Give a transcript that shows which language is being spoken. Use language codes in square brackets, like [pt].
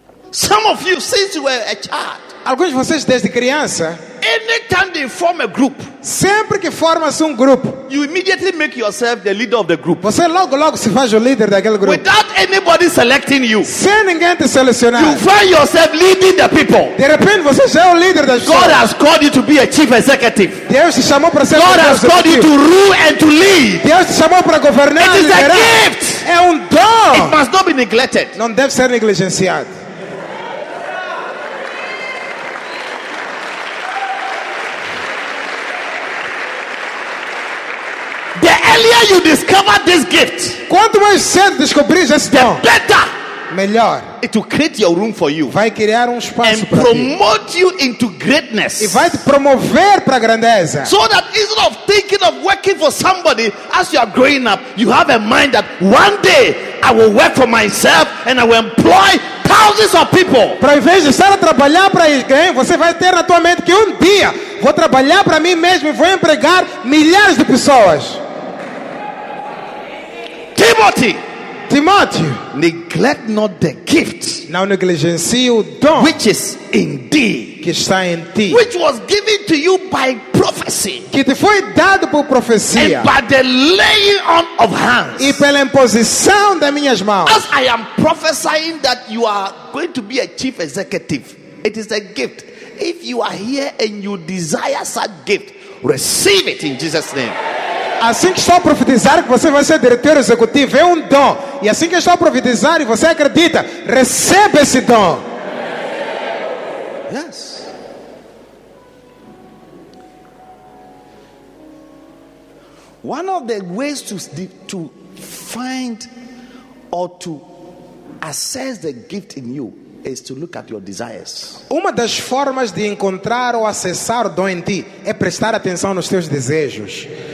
[en] Some of you, since you were a child, [pt] alguns de vocês desde criança, [en] anytime they form a group, [pt] sempre que forma-se grupo, [en] you immediately make yourself the leader of the group. [pt] Você logo se faz o líder daquele grupo. [en] Without anybody selecting you, [pt] sem ninguém te selecionar, [en] you find yourself leading the people. [pt] De repente você já é o líder das pessoas. [en] God has called you to be a chief executive. [pt] Deus te chamou para ser [en] God has called you to rule and to lead. [pt] Deus te chamou para governar. [en] It is a gift. [pt] É dom. [en] It must not be neglected. [pt] Não deve ser negligenciado. [en] You discover this gift. [pt] Quanto mais cedo descobrir esse dom, [en] better. [pt] Melhor. [en] It will create your room for you. [pt] Vai criar espaço [en] and promote [pt] ti. [en] You into greatness. [pt] E vai te promover para grandeza. [en] So that instead of thinking of working for somebody as you are growing up, you have a mind that one day I will work for myself and I will employ thousands of people. [pt] Para em vez de estar a trabalhar para alguém, você vai ter na tua mente que dia vou trabalhar para mim mesmo e vou empregar milhares de pessoas. [en] Timothy, neglect not the gift. [pt] Não negligencie o dom. [en] Which is in thee. [pt] Que está em ti. [en] Which was given to you by prophecy. [pt] Que te foi dado por profecia. [en] And by the laying on of hands. [pt] E pela imposição das minhas mãos. [en] As I am prophesying that you are going to be a chief executive, it is a gift. If you are here and you desire such gift, receive it in Jesus' name. [pt] Assim que estou a profetizar que você vai ser diretor executivo, é dom. E assim que estou a profetizar e você acredita, receba esse dom. [en] Yes. One of the ways to find or to assess the gift in you is to look at your desires. [pt] Uma das formas de encontrar ou acessar o dom em ti é prestar atenção nos teus desejos.